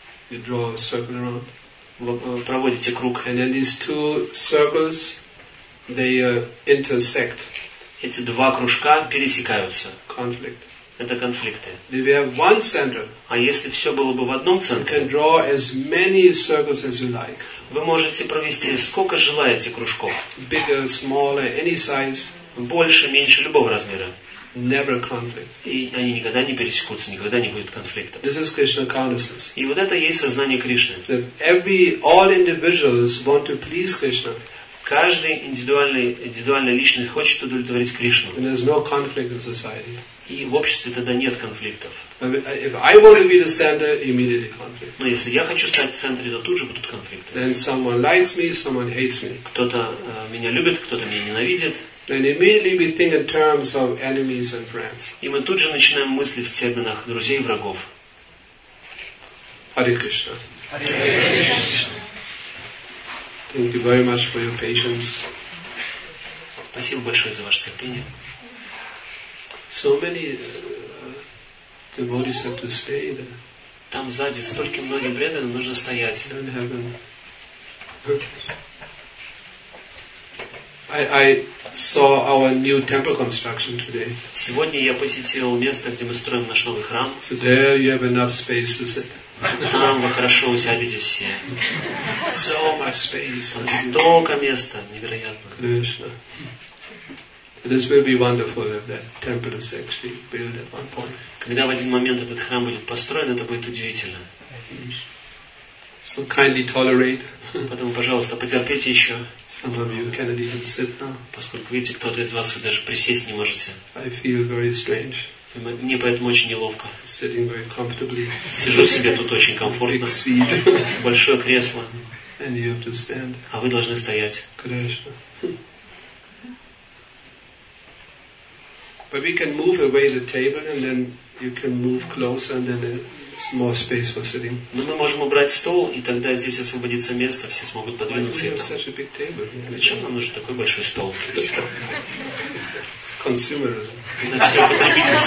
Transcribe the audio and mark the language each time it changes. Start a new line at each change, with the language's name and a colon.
English: You draw a circle around.
Russian: Проводите круг.
English: And then these two circles. They intersect.
Russian: Эти два кружка пересекаются.
English: Conflict.
Russian: Это конфликты.
English: If we have one center,
Russian: а если все было бы в одном центре,
English: you can draw as many circles as you like.
Russian: Вы можете провести сколько желаете кружков.
English: Bigger, smaller, any size.
Russian: Больше, меньше, любого размера.
English: Never conflict.
Russian: И они никогда не пересекутся, никогда не будет конфликта.
English: This is Krishna consciousness.
Russian: И вот это есть сознание Кришны.
English: That every all individuals want to please Krishna.
Russian: Каждый индивидуальный личный хочет удовлетворить Кришну.
English: And there's no conflict in society.
Russian: И в обществе тогда нет конфликтов.
English: If I want to be the center, immediately conflict.
Russian: Но если я хочу стать в центре, то тут же будут конфликты.
English: Then someone likes me, someone hates me.
Russian: Кто-то меня любит, кто-то меня ненавидит.
English: Then immediately we think in terms of enemies and friends.
Russian: И мы тут же начинаем мыслить в терминах друзей и врагов.
English: Hare Krishna.
Russian: Hare Krishna.
English: Thank you very much for your patience.
Russian: Спасибо большое за ваше терпение.
English: So many devotees have to stay there.
Russian: Там сзади столько многим преданным нужно стоять.
English: In heaven. I saw our new temple construction today.
Russian: Сегодня я посетил место, где мы строим наш новый храм.
English: So there you have enough space to sit.
Russian: Там вы хорошо усядетесь все.
English: So much space.
Russian: Столько места, невероятно. Конечно.
English: This will be wonderful if that temple is actually built at one point.
Russian: Когда в один момент этот храм будет построен, это будет удивительно.
English: So kindly tolerate.
Russian: Поэтому, пожалуйста, потерпите еще.
English: Some of you cannot even sit now.
Russian: Поскольку видите, кто-то из вас вы даже присесть не можете.
English: I feel very strange.
Russian: Мне поэтому очень неловко.
English: Sitting very comfortably.
Russian: Сижу себе тут очень комфортно. Большое кресло.
English: And you have to stand.
Russian: А вы должны стоять. Конечно.
English: But we can move away the table and then you can move closer and then there's more space for sitting.
Russian: Но мы можем убрать стол, и тогда здесь освободится место, все смогут подвинуться.
English: Why do we have such a big table?
Russian: Зачем нам нужен такой большой стол?
English: Consumerism.